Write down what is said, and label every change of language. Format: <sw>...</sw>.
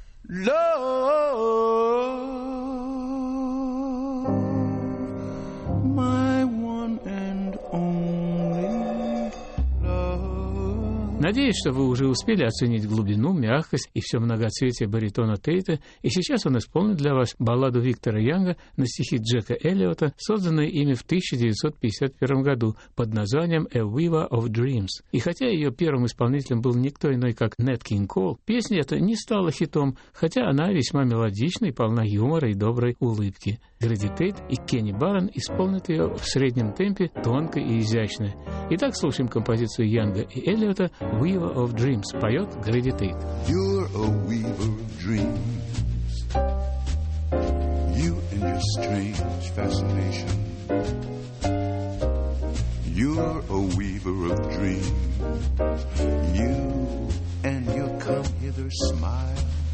<en>love, my one and only love.</en> <ru>Надеюсь, что вы уже успели оценить глубину, мягкость и все многоцветие баритона Тейта, и сейчас он исполнит для вас балладу Виктора Янга на стихи Джека Эллиота, созданную ими в 1951 году под названием «A Weaver of Dreams». И хотя ее первым исполнителем был никто иной, как Нэт Кинг Коул, песня эта не стала хитом, хотя она весьма мелодична и полна юмора и доброй улыбки. Грэди Тейт и Кенни Баррон исполнят ее в среднем темпе, тонко и изящно. Итак, слушаем композицию Янга и Эллиота «Weaver of Dreams», поет Грэди Тейт.</ru> <en>You're a weaver of dreams, you and your strange fascination. You're a weaver of dreams, you and your come hither smile.</en>